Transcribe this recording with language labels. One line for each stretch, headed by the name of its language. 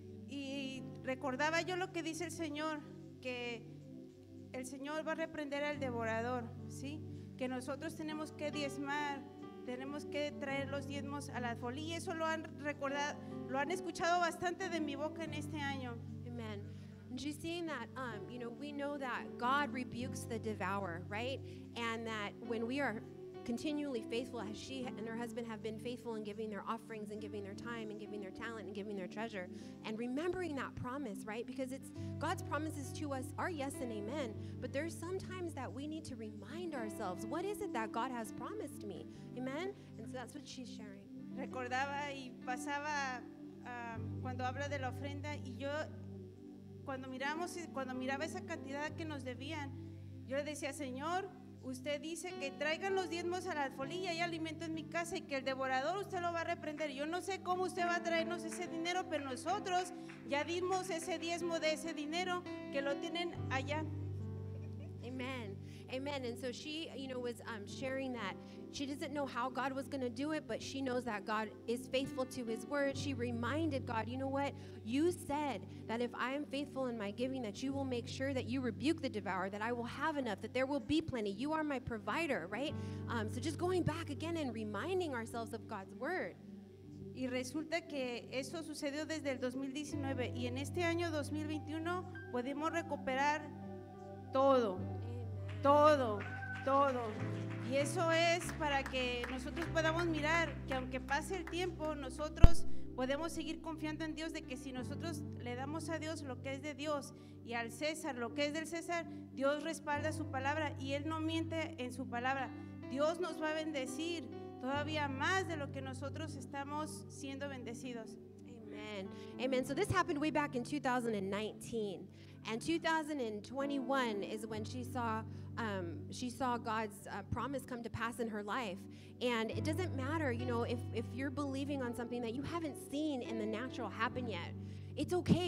Spanish: Y recordaba yo lo que dice el Señor, que el Señor va a reprender al devorador, ¿sí? Que nosotros tenemos que diezmar, tenemos que traer los diezmos a la folía. Y eso lo han recordado, lo han escuchado bastante de mi boca en este año. Amen.
English: And she's saying that, you know, we know that God rebukes the devourer, right? And that when we are continually faithful, as she and her husband have been faithful in giving their offerings and giving their time and giving their talent and giving their treasure, and remembering that promise, right? Because it's God's promises to us are yes and amen, but there's some times that we need to remind ourselves, what is it that God has promised me? Amen? And so that's what she's sharing.
Spanish: Recordaba y pasaba cuando habla de la ofrenda y yo... Cuando miraba esa cantidad que nos debían, yo le decía, Señor, usted dice que traigan los diezmos a la alfolí y hay alimento en mi casa y que el devorador usted lo va a reprender. Yo no sé cómo usted va a traernos ese dinero, pero nosotros ya dimos ese diezmo de ese dinero que lo tienen allá. Amen. Amen.
English: And so she, you know, was sharing that she doesn't know how God was going to do it, but she knows that God is faithful to his word. She reminded God, you know what? You said that if I am faithful in my giving, that you will make sure that you rebuke the devourer, that I will have enough, that there will be plenty. You are my provider, right? So just going back again and reminding ourselves of God's word.
Spanish: Y resulta que eso sucedió desde el 2019. Y en este año 2021 podemos recuperar todo. Todo, todo. Y eso es para que nosotros podamos mirar que aunque pase el tiempo, nosotros podemos seguir confiando en Dios, de que si nosotros le damos a Dios lo que es de Dios y al César lo que es del César, Dios respalda su palabra y Él no miente en su palabra. Dios nos va a bendecir todavía más de lo que nosotros estamos siendo bendecidos.
English: Amen. Amen. So this happened way back in 2019. And 2021 is when she saw God's promise come to pass in her life. And it doesn't matter, you know, if you're believing on something that you haven't seen in the natural happen yet. It's okay.